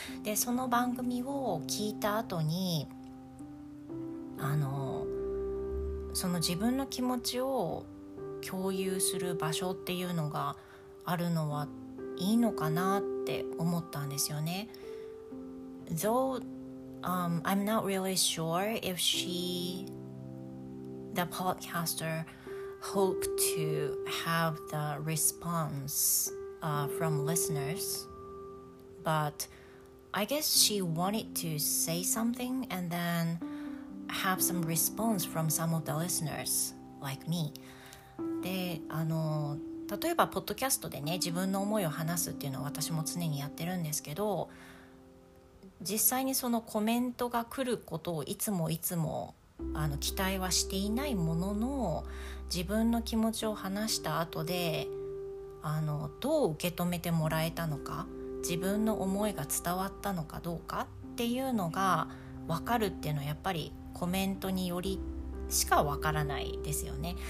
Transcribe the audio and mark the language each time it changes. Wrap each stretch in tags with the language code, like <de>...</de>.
<ja>で、その番組を聞いた後に、その自分の気持ちを共有する場所っていうのがあるのはいいのかなって思ったんですよね。</ja> <en>Though I'm not really sure if she, the podcaster, hope to have the response from listeners, but I guess she wanted to say something and then have some response from some of the listeners like me.</en> <ja>で、例えばポッドキャストでね、自分の思いを話すっていうのは私も常にやってるんですけど、実際にそのコメントが来ることをいつもいつも期待はしていないものの、自分の気持ちを話した後でどう受け止めてもらえたのか、自分の思いが伝わったのかどうかっていうのが分かるっていうのは、やっぱりコメントによりしか分からないですよね。</ja>